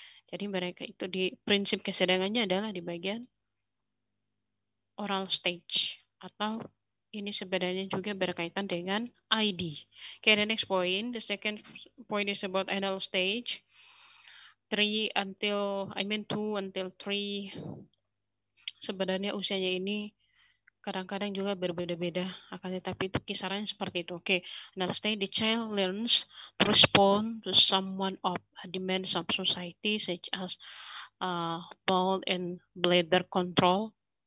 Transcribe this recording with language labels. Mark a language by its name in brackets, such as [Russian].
[Indonesian] Jadi mereka itu di prinsip kesenangannya adalah di bagian oral stage. Atau ini sebenarnya juga berkaitan dengan ID. [English] Okay, the next point, the second point is about anal stage. Two until three. [Indonesian] Sebenarnya usianya ini kadang-kadang juga berbeda-beda. Akan tetapi itu kisarannya seperti itu. [English] Okay, anal stage, the child learns to respond to someone of demands of society such as bowel and bladder control.